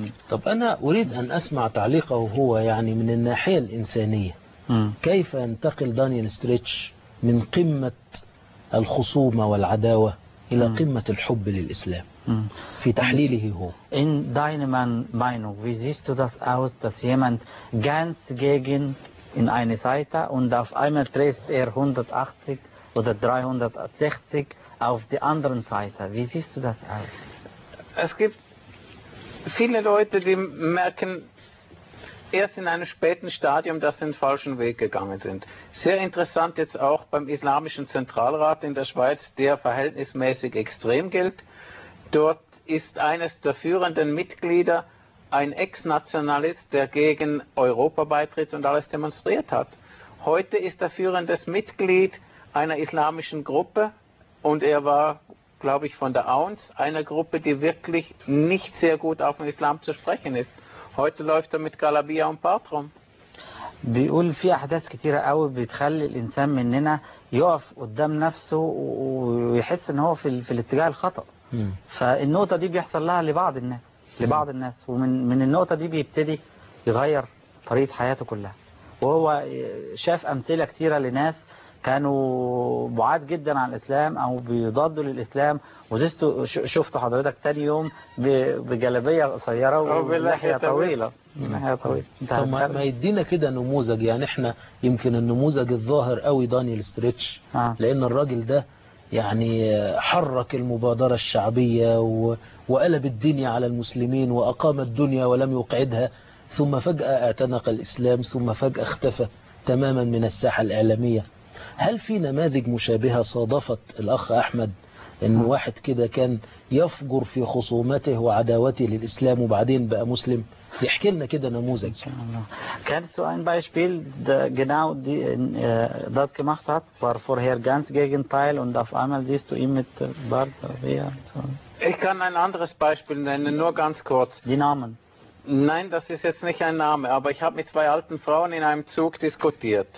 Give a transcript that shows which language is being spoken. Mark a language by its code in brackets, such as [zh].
[ar] طب انا اريد ان اسمع تعليقه هو يعني من الناحية الانسانية، كيف ينتقل دانيال ستريتش من قمة الخصومة والعداوة الى قمة الحب للاسلام في تحليله هو؟ [de] In deiner Meinung, wie siehst du das aus, dass jemand ganz gegen in eine Seite und auf einmal dreht er 180 oder 360 auf die anderen Seite? Wie siehst du das aus? Es gibt viele Leute, die merken erst in einem späten Stadium, dass sie den falschen Weg gegangen sind. Sehr interessant jetzt auch beim Islamischen Zentralrat in der Schweiz, der verhältnismäßig extrem gilt. Dort ist eines der führenden Mitglieder ein Ex-Nationalist, der gegen Europa beitritt und alles demonstriert hat. Heute ist er führendes Mitglied einer islamischen Gruppe und er war, glaube ich, von der AUNS, einer Gruppe, die wirklich nicht sehr gut auf den Islam zu sprechen ist. Heute läuft er mit Galabia und Bart rum. [ar] بيقول في احداث كتيره قوي بتخلي الانسان مننا يقف قدام نفسه ويحس ان هو في الاتجاه الخطا. فالنقطه دي بيحصل لها لبعض الناس ومن النقطه دي بيبتدي يغير طريقه حياته كلها. وهو شاف امثله كتيره لناس كانوا بعاد جدا عن الاسلام او بيضادوا للاسلام وشفته حضرتك تاني يوم بجلابيه قصيره ولحيه طويله. طب ما يدينا كده نموذج، يعني احنا يمكن النموذج الظاهر قوي دانيال ستريتش لان الراجل ده يعني حرك المبادرة الشعبية وقلب الدنيا على المسلمين وأقام الدنيا ولم يقعدها، ثم فجأة اعتنق الإسلام ثم فجأة اختفى تماما من الساحة الإعلامية. هل في نماذج مشابهة صادفت الأخ أحمد أن واحد كده كان يفجر في خصومته وعداوته للإسلام وبعدين بقى مسلم؟ يحكي لنا كده نموذج. كان سو [de] ein Beispiel, genau das gemacht hat, war vorher ganz Gegenteil und auf einmal siehst du ihn mit Bart. Ich kann ein anderes Beispiel nennen, nur ganz kurz. Die Namen? Nein, das ist jetzt nicht ein Name, aber ich habe mit zwei alten Frauen in einem Zug diskutiert.